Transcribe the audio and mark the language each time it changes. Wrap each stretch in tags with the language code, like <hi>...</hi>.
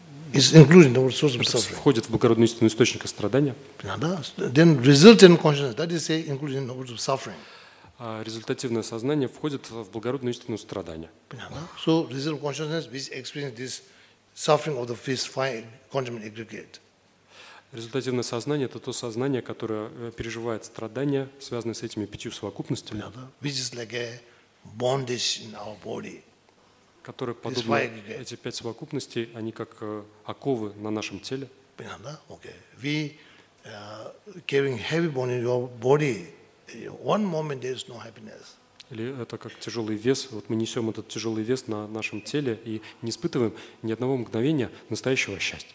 <ru>Входит в благородную истину источника страдания.</ru> <en>Then resultant consciousness, that is say, including noble source of suffering.</en> <ru>Результативное сознание входит в благородную истину страдания.</ru> <en>So resultant consciousness, which experience this suffering of the first five contaminant aggregate.</en> <ru>Результативное сознание – это то сознание, которое переживает страдания, связанные с этими пятью совокупностями.</ru> <en>Which is like a bondage in our body.</en> <ru>Которые подобны эти пять совокупностей, они как оковы на нашем теле. Понятно?</ru> <en>Okay. We carrying heavy bond in your body. One moment there is no happiness.</en> <ru>Или это как тяжелый вес. Вот мы несем этот тяжелый вес на нашем теле и не испытываем ни одного мгновения настоящего счастья.</ru>